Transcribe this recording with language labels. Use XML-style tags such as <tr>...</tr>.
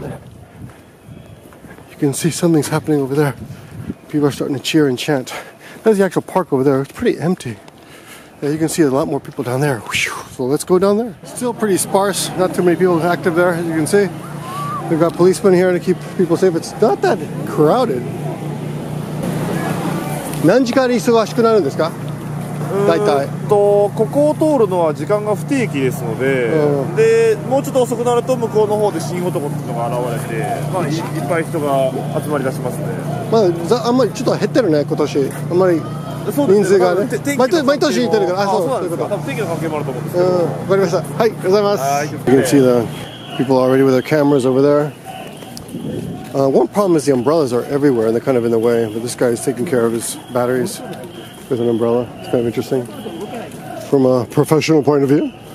<en>You can see something's happening over there. People are starting to cheer and chant. That's the actual park over there. It's pretty empty. Yeah, you can see a lot more people down there. So let's go down there. Still pretty sparse. Not too many people active there, as you can see. We've got policemen here to keep people safe. It's not that crowded.</en> <ja>何時間に忙しくなるんですか？大体。ここを通るのは時間が不定期ですので、でもうちょっと遅くなると向こうの方で神男っていうのが現れて、まあ、いっぱい人が集まり出しますね。まあ、あんまりちょっと減ってるね今年。あんまり人数がね。毎年行ってるから。あ、そうなんですか。多分天気の関係もあると思うんですけど。わかりました。はい、ありがとうございます。</ja> <en>You can see the people already with their cameras over there. One problem is the umbrellas are everywhere and they're kind of in the way, but this guy is taking care of his batteries with an umbrella. It's kind of interesting from a professional point of view.</en>